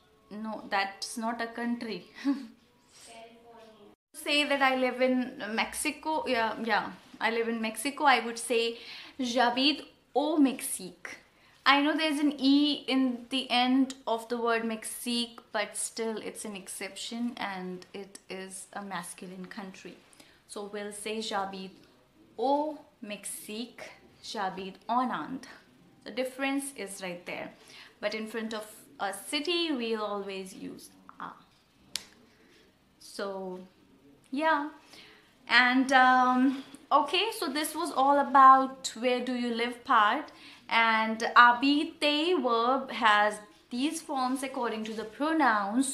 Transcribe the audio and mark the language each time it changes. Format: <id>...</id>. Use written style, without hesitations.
<en>No, that's not a country. California. Say that I live in Mexico. Yeah. I live in Mexico. I would say,</en> <fr>j'habite au Mexique.</fr> <en>I know there's an E in the end of the word Mexique, but still it's an exception and it is a masculine country. So we'll say</en> <fr>j'habite au Mexique, j'habite en Inde.</fr> <en>The difference is right there. But in front of a city, we'll always use a. So, yeah. And, okay, so this was all about where do you live part. And habite verb has these forms according to the pronouns.</en>